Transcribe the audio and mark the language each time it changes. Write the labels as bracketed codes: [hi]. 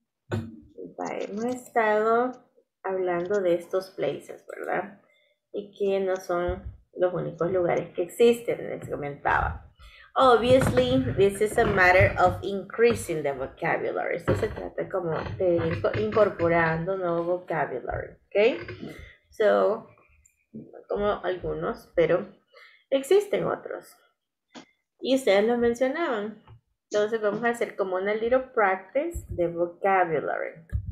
[es] Vaya, hemos estado hablando de estos places, ¿verdad? Y que no son los únicos lugares que existen, les comentaba. [en] Obviously, this is a matter of increasing the vocabulary. [es] Esto se trata como de ir incorporando nuevo vocabulary, ¿ok? So, como algunos, pero existen otros. Y ustedes lo mencionaban. Entonces vamos a hacer como una little practice de vocabulary.